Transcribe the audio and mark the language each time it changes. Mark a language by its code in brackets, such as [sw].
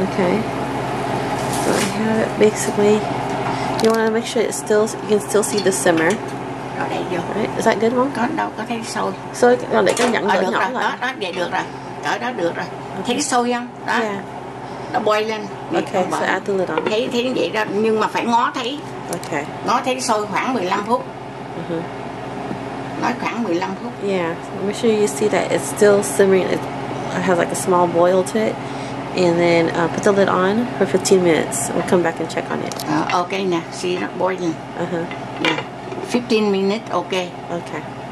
[en] So I have it basically. You want to make sure it's still, you can still see the simmer. Right? Is that good, Mom? No, I can see it. So I'm going to let it simmer. [vi] Nó boil lên. [en] Okay, so add the lid on. [vi] Thấy như vậy đó, nhưng mà phải ngó thấy. [en] Okay. [vi] Ngó thấy sôi khoảng 15 phút. Uh-huh. Nói khoảng 15 phút. [en] Yeah, so make sure you see that it's still simmering. It has like a small boil to it. And then put the lid on for 15 minutes. We'll come back and check on it. Okay nè, see it boiling. Uh-huh. Yeah. 15 minutes, okay. Okay.